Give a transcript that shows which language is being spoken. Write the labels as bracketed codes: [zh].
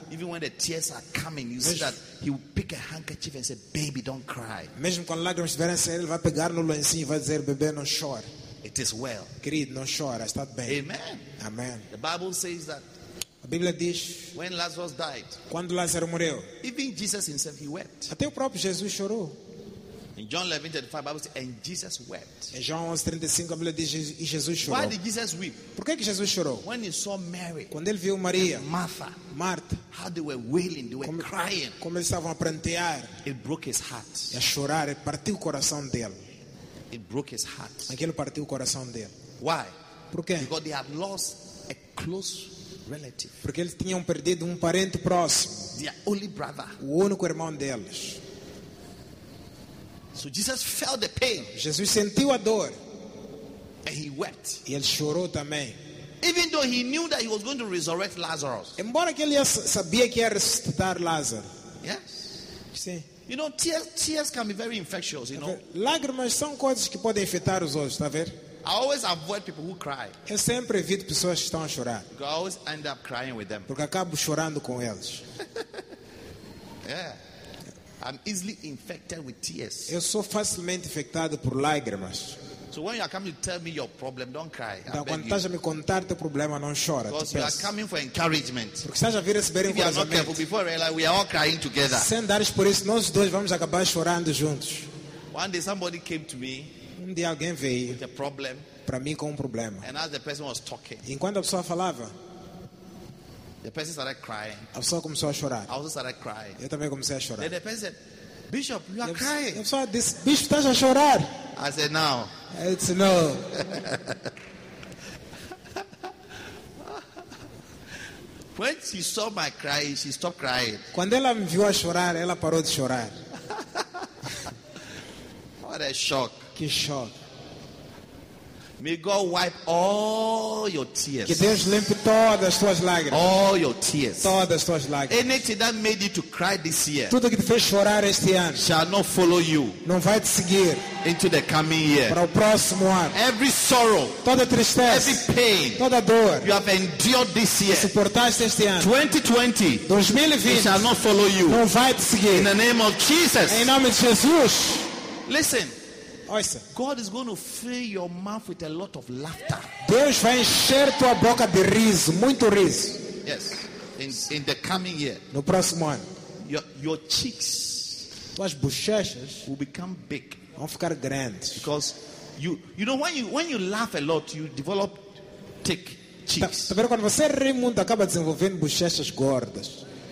[en] Even when the tears are coming, you see that he will pick a handkerchief and say, "Baby, don't cry." [pt] Mesmo quando lágrimas estiverem saindo, ele vai pegar no lencinho e vai dizer, "Bebê, não chore." [en] It is well. [pt] Querido, não chore, está bem. [en] Amen. [pt] Amen. [en] The Bible says that. [pt] A Bíblia diz, [en] when Lazarus died, [pt] quando Lázaro morreu, [en] even Jesus himself, he wept. [pt] Até o próprio Jesus chorou. [en] In John 11, 35, Bible says, and Jesus wept. [pt] Em João 11:35, a Bíblia diz, e Jesus chorou. [en] Why did Jesus weep? [pt] Por que Jesus chorou? [en] When he saw Mary, [pt] quando ele viu Maria, [en] and Martha, [pt] Marta, [en] how they were wailing, they were crying. [pt] Como eles estavam a prantear, [en] it broke his heart. [pt] E a chorar, ele partiu o coração dele. [en] It broke his heart. [pt] Aquilo partiu o coração dele. [en] Why? [pt] Por quê? [en] Because they had lost a close relative. [pt] Porque eles tinham perdido um parente próximo. [en] Their only brother. [pt] O único irmão deles. [en] So Jesus felt the pain. [pt] Jesus sentiu a dor. [en] And he wept. [pt] E ele chorou também. [en] Even though he knew that he was going to resurrect Lazarus. [pt] Embora que ele sabia que ia ressuscitar Lázaro. [en] Yes. [pt] Sim. [en] You know, tears can be very infectious, you know. [pt] Lágrimas são coisas que podem infectar os olhos, está a ver? [en] I always avoid people who cry. [pt] Eu sempre evito pessoas que estão a chorar. [en] I always end up crying with them. [pt] Porque acabo chorando com eles. [en] Yeah. I'm easily infected with tears. [pt] Eu sou facilmente infectado por lágrimas. [en] So when you are coming to tell me your problem, don't cry. [pt] Então, quando estás a me contar teu problema, não chora. [en] Because you are coming for encouragement. [pt] Porque estás a vir receber encorajamento. [en] If you are not careful, before realize, we are all crying together. [pt] Sem dares por isso, nós dois vamos acabar chorando juntos. [en] One day somebody came to me. [pt] Um dia alguém veio [en] with a problem, [pt] para mim com um problema. [en] And as the person was talking, [pt] enquanto a pessoa falava, [en] the person started crying. [pt] A pessoa começou a chorar. [en] I also started crying. [pt] Eu também comecei a chorar. [en] Then the person said, "Bishop, you are crying." [pt] A pessoa disse, "Bishop, estás a chorar." [en] I said, "No." It's no. When she saw my crying, she stopped crying. [pt] Quando ela me viu a chorar, ela parou de chorar. [en] What a shock. [pt] Que shock. [en] May God wipe all your tears. [pt] Que Deus limpe todas as tuas lágrimas. [en] All your tears. [pt] Todas as tuas lágrimas. [en] Anything that made you to cry this year. [pt] Tudo que te fez chorar este ano. [en] Shall not follow you. [pt] Não vai te seguir. [en] Into the coming year. [pt] Para o próximo ano. [en] Every sorrow. [pt] Toda tristeza. [en] Every pain. [pt] Toda dor. [en] You have endured this year. [pt] Suportaste este ano. [en] 2020. [pt] 2020. [en] Shall not follow you. [pt] Não vai te seguir. [en] In the name of Jesus. [pt] Em nome de Jesus. [en] Listen. [pt] Ouça. [en] God is going to fill your mouth with a lot of laughter. [pt] Deus vai encher tua boca de riso, muito riso. [en] Yes. In the coming year. [pt] No próximo ano. [en] Your cheeks [pt] suas bochechas [en] will become big. [pt] Vão ficar grandes. [en] Because you know when you laugh a lot, you develop thick cheeks. [pt] Tá vendo, quando você ri muito acaba desenvolvendo bochechas gordas.